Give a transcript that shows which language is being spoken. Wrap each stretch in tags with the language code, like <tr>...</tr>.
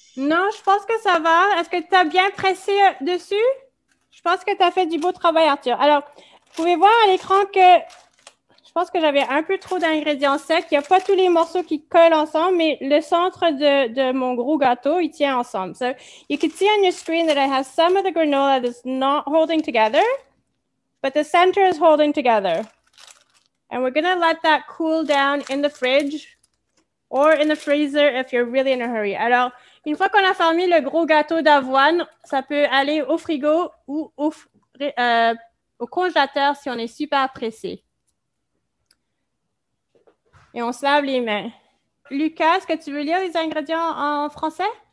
<fr>Non, je pense que ça va. Est-ce que tu as bien pressé dessus? Je pense que tu as fait du beau travail, Arthur. Alors, vous pouvez voir à l'écran que je pense que j'avais un peu trop d'ingrédients secs. Il n'y a pas tous les morceaux qui collent ensemble, mais le centre de mon gros gâteau, il tient ensemble.</fr> <en>So, you can see on your screen that I have some of the granola that's not holding together, but the center is holding together. And we're going to let that cool down in the fridge or in the freezer if you're really in a hurry.</en> <fr>Alors, une fois qu'on a fermé le gros gâteau d'avoine, ça peut aller au frigo ou au congélateur si on est super pressé. Et on se lave les mains. Lucas, est-ce que tu veux lire les ingrédients en français?</fr>